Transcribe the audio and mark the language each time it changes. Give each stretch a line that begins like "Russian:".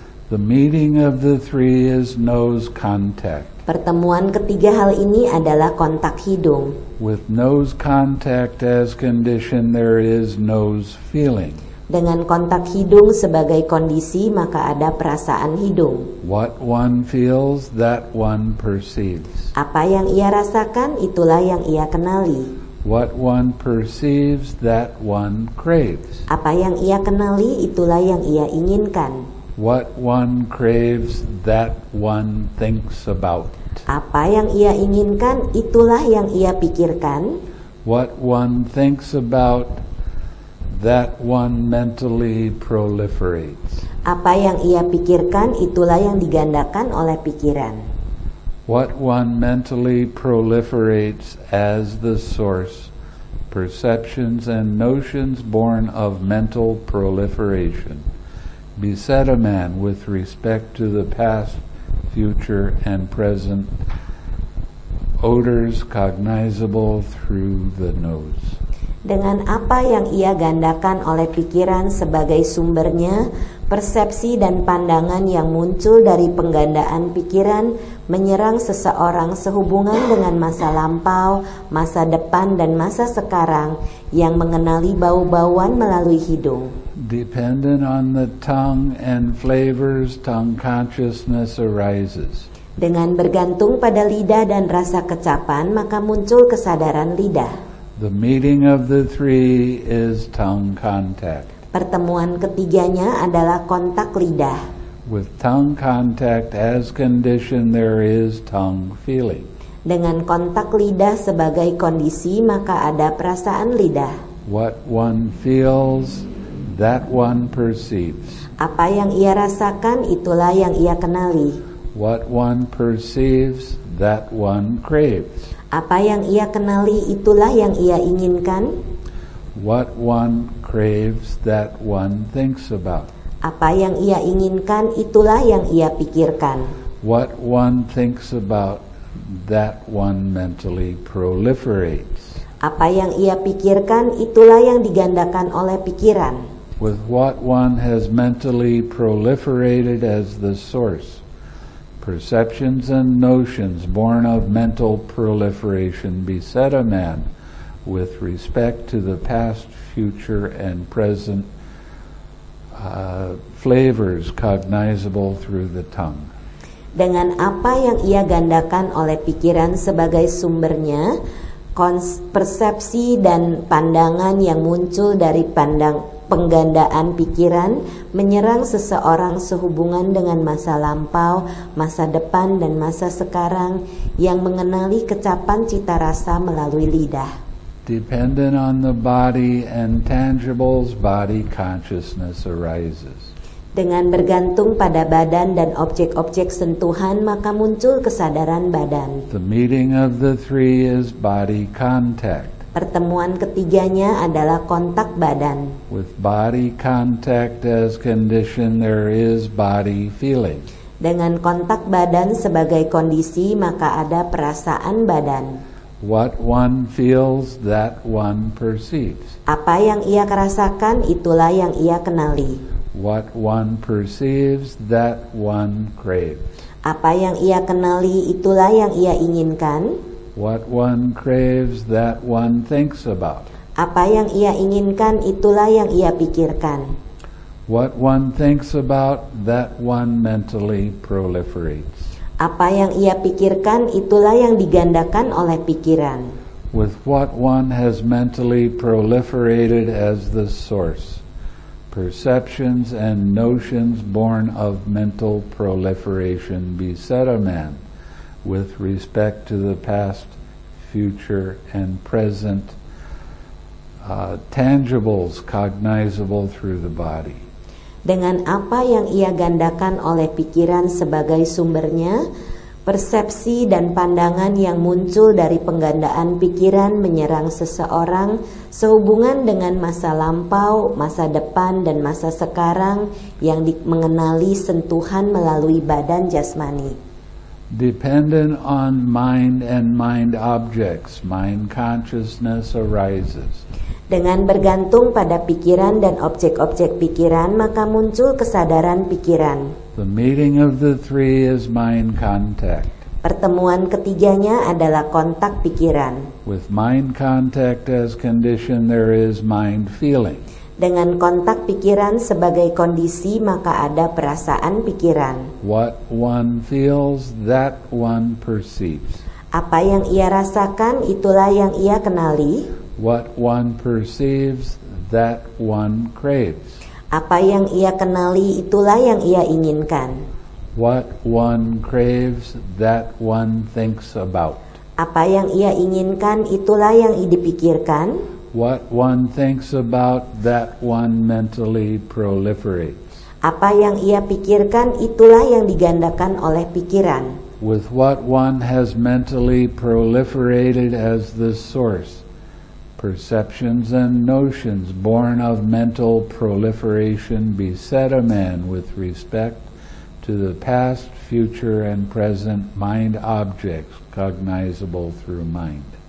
English: The meeting of the three is nose contact.
Indonesian: Pertemuan ketiga hal ini adalah kontak hidung.
English: With nose contact as condition, there is nose feeling.
Indonesian: Dengan kontak hidung sebagai kondisi, maka ada perasaan hidung.
English: What one feels, that one perceives.
Indonesian: Apa yang ia rasakan, itulah yang ia kenali.
English: What one perceives, that one craves.
Indonesian: Apa yang ia kenali, itulah yang ia inginkan.
English: What one craves, that one thinks about.
Indonesian: Apa yang ia inginkan, itulah yang ia pikirkan.
English: What one thinks about, that one mentally proliferates.
Indonesian: Apa yang ia pikirkan, itulah yang digandakan oleh pikiran.
English: What one mentally proliferates as the source, perceptions and notions born of mental proliferation beset a man with respect to the past, future and present odors cognizable through the nose.
Indonesian: Dengan apa yang ia gandakan oleh pikiran sebagai sumbernya, persepsi dan pandangan yang muncul dari penggandaan pikiran menyerang seseorang sehubungan dengan masa lampau, masa depan dan masa sekarang yang mengenali bau-bauan melalui hidung.
English: Dependent on the tongue and flavors, tongue consciousness arises.
Indonesian: Dengan bergantung pada lidah dan rasa kecapan, maka muncul kesadaran lidah.
English: The meeting of the three is tongue contact.
Indonesian: Pertemuan ketiganya adalah kontak lidah.
English: With tongue contact as condition, there is tongue feeling.
Indonesian: Dengan kontak lidah sebagai kondisi, maka ada perasaan lidah.
English: What one feels, that one perceives.
Indonesian: Apa yang ia rasakan, itulah yang ia kenali.
English: What one perceives, that one craves.
Indonesian: Apa yang ia kenali, itulah yang ia inginkan.
English: What one craves, that one thinks about.
Indonesian: Apa yang ia inginkan, itulah yang ia pikirkan.
English: What one thinks about, that one mentally proliferates.
Indonesian: Apa yang ia pikirkan, itulah yang digandakan oleh pikiran.
English: With what one has mentally proliferated as the source, perceptions and notions born of mental proliferation beset a man with respect to the past, future, and present flavors cognizable through the tongue.
Indonesian: Dengan apa yang ia gandakan oleh pikiran sebagai sumbernya, persepsi dan pandangan yang muncul dari penggandaan pikiran menyerang seseorang sehubungan dengan masa lampau, masa depan dan masa sekarang yang mengenali kecapan cita rasa melalui lidah.
English: Dependent on the body and tangibles, body consciousness arises.
Indonesian: Dengan bergantung pada badan dan objek-objek sentuhan, maka muncul kesadaran badan.
English: The meeting of the three is body contact.
Indonesian: Pertemuan ketiganya adalah kontak badan.
English: With body contact as condition, there is body feeling.
Indonesian: Dengan kontak badan sebagai kondisi, maka ada perasaan badan.
English: What one feels, that one perceives.
Indonesian: Apa yang ia rasakan, itulah yang ia kenali.
English: What one perceives, that one craves.
Indonesian: Apa yang ia kenali, itulah yang ia inginkan.
English: What one craves, that one thinks about.
Indonesian: Apa yang ia inginkan, itulah yang ia pikirkan.
English: What one thinks about, that one mentally proliferates.
Indonesian: Apa yang ia pikirkan, itulah yang digandakan oleh pikiran.
English: With what one has mentally proliferated as the source, perceptions and notions born of mental proliferation beset a man with respect to the past, future, and present tangibles cognizable through the body.
Indonesian: Dengan apa yang ia gandakan oleh pikiran sebagai sumbernya, persepsi dan pandangan yang muncul dari penggandaan pikiran menyerang seseorang sehubungan dengan masa lampau, masa depan, dan masa sekarang yang mengenali sentuhan melalui badan jasmani.
English: Dependent on mind and mind objects, mind consciousness arises.
Indonesian: Dengan bergantung pada pikiran dan objek-objek pikiran, maka muncul kesadaran pikiran.
English: The meeting of the three is mind contact.
Indonesian: Pertemuan ketiganya adalah kontak pikiran.
English: With mind contact as condition, there is mind feeling.
Indonesian: Dengan kontak pikiran sebagai kondisi, maka ada perasaan pikiran.
English: What one feels, that one perceives.
Indonesian: Apa yang ia rasakan, itulah yang ia kenali.
English: What one perceives, that one craves.
Indonesian: Apa yang ia kenali, itulah yang ia inginkan.
English: What one craves, that one thinks about.
Indonesian: Apa yang ia inginkan, itulah yang ia dipikirkan.
English: What one thinks about, that one mentally proliferates.
Indonesian: Apa yang ia pikirkan, itulah yang digandakan oleh pikiran.
English: With what one has mentally proliferated as the source, perceptions and notions born of mental proliferation beset a man with respect to the past, future, and present mind objects cognizable through mind.